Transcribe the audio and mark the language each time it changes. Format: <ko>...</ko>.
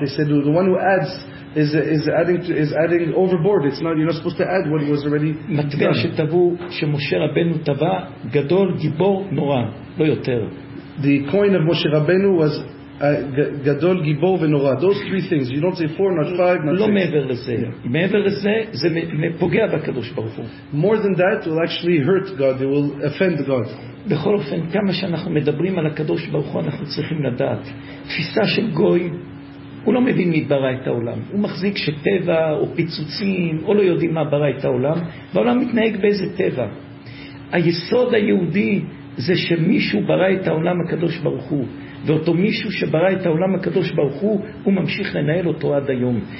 <en>They said, the one who adds is adding overboard. It's not, you're not supposed to add what was already done.</en> <he>מטבע שטבעו שמשה רבנו טבע, גדול, גיבור, נורא, לא יותר.</he> <en>The coin of Moshe Rabbeinu was</en> <he>גדול, גיבור ונורא.</he> <en>Those three things. You don't say four, not five, not six.</en> <he>לא מעבר לזה. מעבר לזה, זה פוגע בקדוש ברוך הוא.</he> <en>More than that will actually hurt God. It will offend God.</en> <he>בכל אופן, כמה שאנחנו מדברים על הקדוש ברוך הוא, אנחנו צריכים לדעת. תפיסה של גוי, הוא לא מבין מי ברא את העולם. הוא מחזיק שטבע או פיצוצים או לא יודעים מה ברא את העולם, והעולם מתנהג באיזה טבע. היסוד היהודי זה שמישהו ברא את העולם הקדוש ברוך הוא, ואותו מישהו שברא את העולם הקדוש ברוך הוא ממשיך לנהל אותו עד היום.</he>